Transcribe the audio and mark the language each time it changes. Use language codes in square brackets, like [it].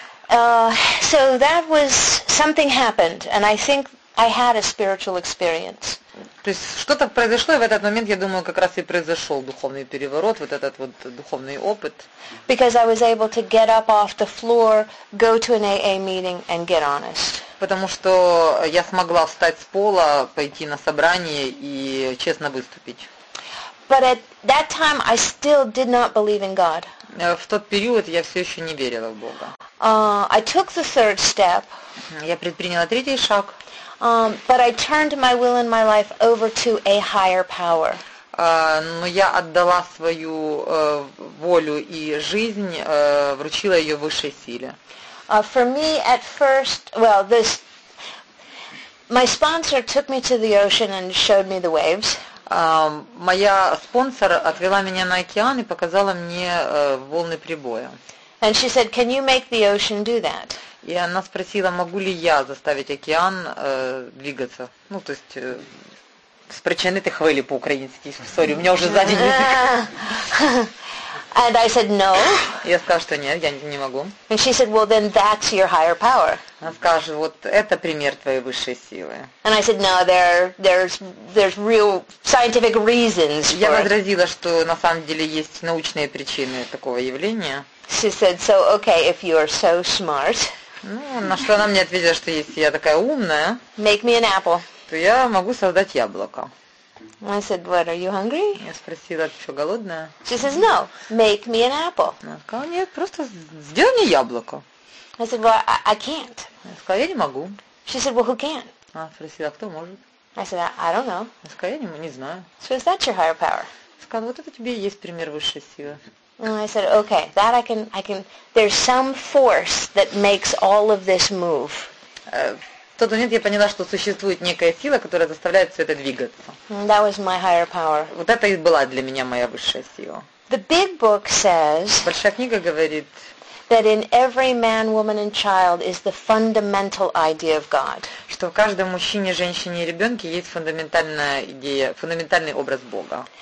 [en] So that was, something happened, and I think I had a spiritual experience. [ru] То есть что-то произошло, и в этот момент, я думаю, как раз и произошел духовный переворот, вот этот вот духовный опыт. [en] Because I was able to get up off the floor, go to an AA meeting, and get honest. [ru] потому что я смогла встать с пола, пойти на собрание и честно выступить. [en] But at that time I still did not believe in God. [ru] В тот период я все еще не верила в Бога. [en] I took the third step. [ru] Я предприняла третий шаг. [en] But I turned my will and my life over to a higher power. [ru] Но я отдала свою волю и жизнь, вручила ее высшей силе. [en] For me at first, well, this my sponsor took me to the ocean and showed me the waves. [ru] Моя спонсор отвела меня на океан и показала мне волны прибоя. [en] And she said, "Can you make the ocean do that?" [ru] И она спросила, могу ли я заставить океан двигаться, ну то есть [uk] спричинити хвилі по-українськи. [en] Sorry, [ru] у меня уже сзади язык. [en] And I said no. [ru] Я сказала, что нет, я не могу. [en] And she said, "Well, then that's your higher power." [ru] Она скажет, вот это пример твоей высшей силы. [en] And I said, "No, there's real scientific reasons for it." [ru] Я возразила, что на самом деле есть научные причины такого явления. [en] She said, "So okay, if you are so smart." [ru] Ну, на что она мне ответила, что если я такая умная, [en] make me an apple. [ru] То я могу создать яблоко. [en] I said, "What, are you hungry?" [ru] Я спросила, ты что, голодная? [en] She says, "No, make me an apple." [ru] Она сказала, нет, просто сделай мне яблоко. [en] I said, "Well, I can't." [ru] Я сказала, я не могу. [en] She said, "Well, who can?" [ru] Она спросила, кто может? [en] I said, "I don't know." [ru] Я сказала, я не знаю. [en] She says, "That's your higher power." [ru] Я сказала, вот это тебе и есть пример высшей силы. [en] And I said, "Okay, that I can, there's some force that makes all of this move." [ru] В тот момент я поняла, что существует некая сила, которая заставляет все это двигаться. [en] That was my higher power. [ru] Вот это и была для меня моя высшая сила. [en] The big book says, [ru] большая книга говорит, [en] that in every man, woman and child is the fundamental idea of God. [ru] Что в каждом мужчине, женщине и ребенке есть фундаментальная идея, фундаментальный образ Бога.